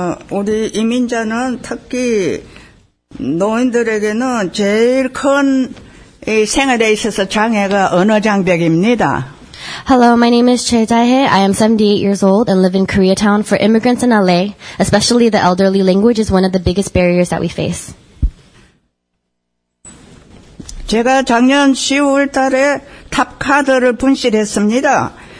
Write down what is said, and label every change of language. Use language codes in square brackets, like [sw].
[ko] 우리 이민자는 특히 노인들에게는 제일 큰 이 생활에 있어서 장애가 언어장벽입니다. [en] Hello, my name is Choi Dae. I am 78 years old and live in Koreatown. For immigrants in LA, especially the elderly, language is one of the biggest barriers that we face. [ko] 제가 작년 10월 달에 탑카드를 분실했습니다.